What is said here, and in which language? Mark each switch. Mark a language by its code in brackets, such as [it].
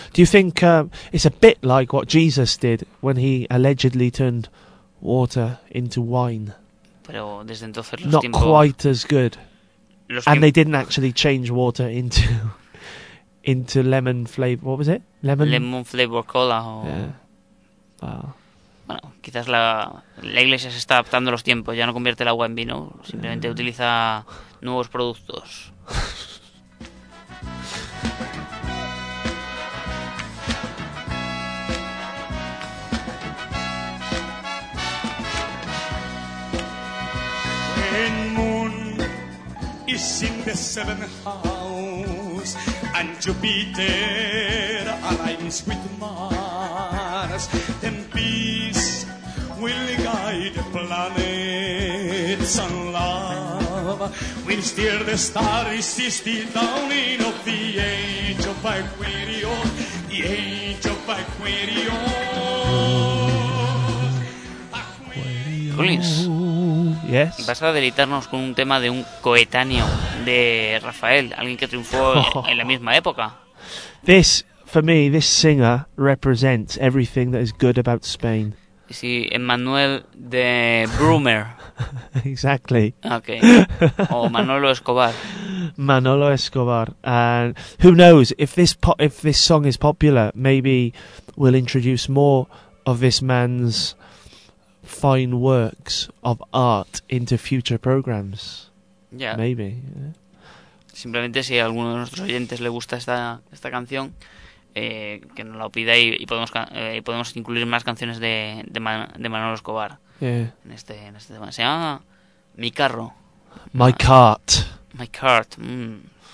[en] Do you think it's a bit like what Jesus did when he allegedly turned water into wine? [es] Pero desde entonces los [en] not quite as good. And they didn't actually change water into lemon flavor. What was it? Lemon flavor cola. Yeah. Wow. [es] Bueno, quizás la iglesia se está adaptando a los tiempos, ya no convierte el agua en vino, simplemente utiliza nuevos productos. [en] When moon is in the seventh house and Jupiter aligns with Mars, then peace will guide the planets and love will steer the stars still down in of the age of Aquarius, the age of Aquarius. Aquarius. Yes. [es] Vas a deleitarnos con un tema de un coetáneo de Rafael, alguien que triunfó en la misma época. [en] This, for me, this singer represents everything that is good about Spain. [es] Sí, Emmanuel de Brumer. [en] Exactly. [es] Okay. O Manolo Escobar. Manolo Escobar. [en] And who knows, if this song is popular, maybe we'll introduce more of this man's fine works of art into future programs. Yeah. Maybe. [es] Simplemente si a alguno de nuestros oyentes le gusta esta canción, que nos la pida y podemos incluir más canciones de Manolo Escobar. [en] Yeah. [es] En este tema. Se llama Mi Carro. [en] My Cart. My Cart. Mm.